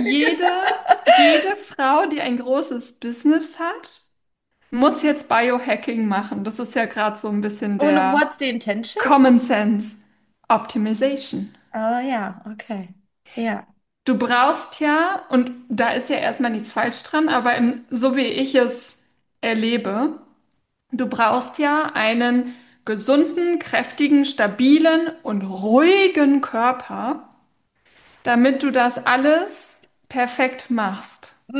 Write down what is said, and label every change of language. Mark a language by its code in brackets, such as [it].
[de] jede Frau, die ein großes Business hat, muss jetzt Biohacking machen. Das ist ja gerade so ein bisschen Und der [en] what's the intention? Common Sense Optimization. Oh ja, yeah, okay, ja. Yeah. [de] Du brauchst ja, und da ist ja erstmal nichts falsch dran, aber so wie ich es erlebe, du brauchst ja einen gesunden, kräftigen, stabilen und ruhigen Körper, damit du das alles perfekt machst.